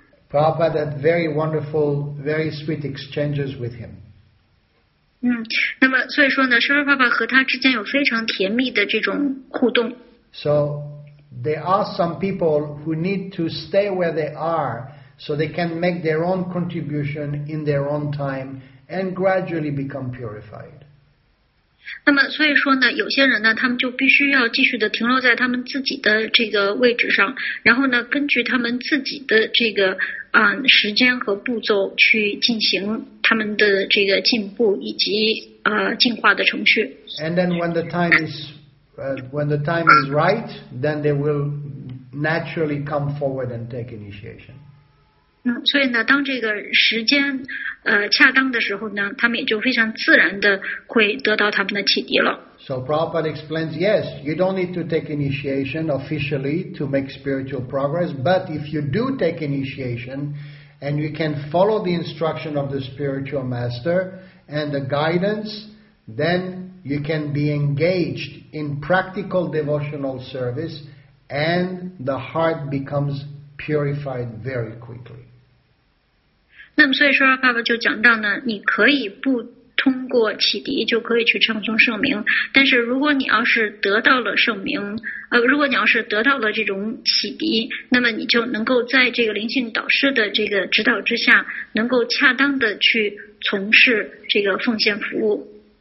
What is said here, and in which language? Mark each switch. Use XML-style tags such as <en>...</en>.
<en>Prabhupada had very wonderful, very sweet exchanges with him.</en> <zh>那么所以说呢，释迦牟尼佛和他之间有非常甜蜜的这种互动。</zh> <en>So there are some people who need to stay where they are so they can make their own contribution in their own time and gradually become purified.</en> <zh>那么所以说呢，有些人呢，他们就必须要继续的停留在他们自己的这个位置上，然后呢，根据他们自己的这个时间和步骤去进行他们的这个进步以及进化的程序。</zh> <en>And then when the time is right, then they will naturally come forward and take initiation.</en> <zh>所以呢，当这个时间恰当的时候呢，他们也就非常自然的会得到他们的启迪了。</zh> <en>So Prabhupada explains, yes, you don't need to take initiation officially to make spiritual progress, but if you do take initiation and you can follow the instruction of the spiritual master and the guidance, then you can be engaged in practical devotional service and the heart becomes purified very quickly.</en> <zh>那么所以说爸爸就讲到呢，你可以不通过启迪就可以去称颂圣名，但是如果你要是得到了圣名如果你要是得到了这种启迪，那么你就能够在这个灵性导师的这个指导之下能够恰当的去从事这个奉献服务。</zh>